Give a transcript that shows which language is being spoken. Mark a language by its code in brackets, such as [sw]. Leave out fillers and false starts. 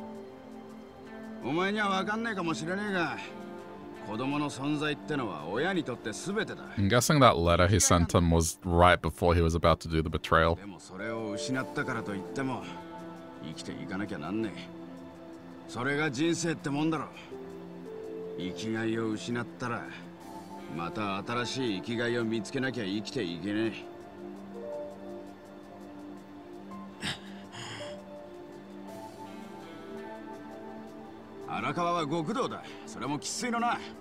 [ja] 我が子に先立たれるほど辛いもんはねえからな。そりゃ辛かったなんてもんじゃねえだろうけど。でもだからって登場会を裏切るなんて。あのな、一番、お前には分かんねえかもしれねえが、子供の存在ってのは親にとって全てだ。 [en] I'm guessing that letter he sent him was right before he was about to do the betrayal. [ja] でもそれを失ったからといっても生きていかなきゃなんねえ。それが人生ってもんだろ。生きがいを失ったらまた新しい生きがいを見つけなきゃ生きていけねえ。荒川は極道だ。それも生粋のな。